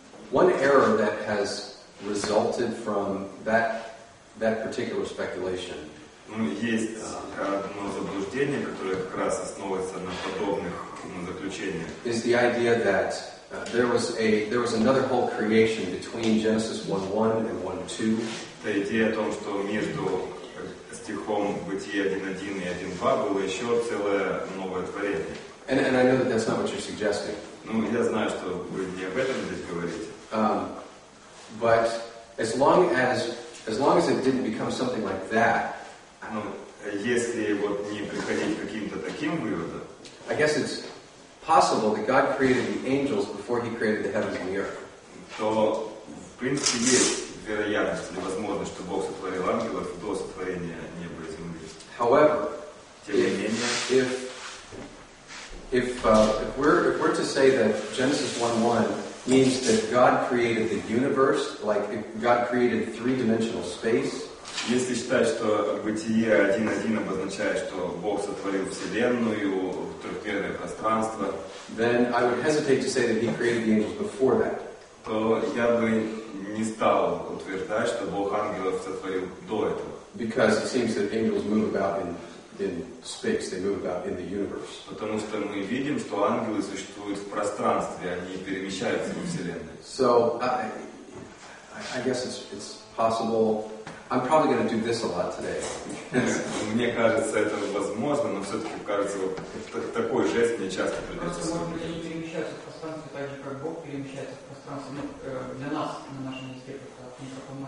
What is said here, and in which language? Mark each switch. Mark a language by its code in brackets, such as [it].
[en] One error that has resulted from that particular speculation. [ru] Ну, есть одно заблуждение, которое как раз основывается на подобных [en] is the idea that there was another whole creation between Genesis 1:1 and 1:2. [ru] Та идея о том, что между стихом Бытие 1:1 и 1:2 было еще целое новое творение. [en] And I know that that's not what you're suggesting. [ru] Ну, я знаю, что вы не об этом здесь говорите. [en] But as long as it didn't become something like that. [ru] Ну, если вот не приходить к каким-то таким выводам. [en] I guess it's possible that God created the angels before He created the heavens and the earth. [ru] То в принципе есть вероятность или возможность, что Бог сотворил ангелов до сотворения неба и земли. [en] However, [ru] тем не менее, [en] if we're to say that Genesis 1:1 means that God created the universe, like if God created three-dimensional space. [ru] Если считать, что Бытие 1:1 обозначает, что Бог сотворил Вселенную, трехмерное пространство, [en] then I would hesitate to say that He created the angels before that. [ru] То я бы не стал утверждать, что Бог ангелов сотворил до этого. [en] Because it seems that angels move about in space, they move about in the universe. [ru] Потому что мы видим, что ангелы существуют в пространстве, они перемещаются во Вселенной. [en] So I guess it's possible. I'm probably going to do this a lot today. [ru] Мне кажется, это возможно, но все-таки кажется, вот такой жест мне часто придется. Просто можно ли перемещаться в пространстве так же, как Бог перемещается в пространстве, ну, для нас, на нашем языке, это не как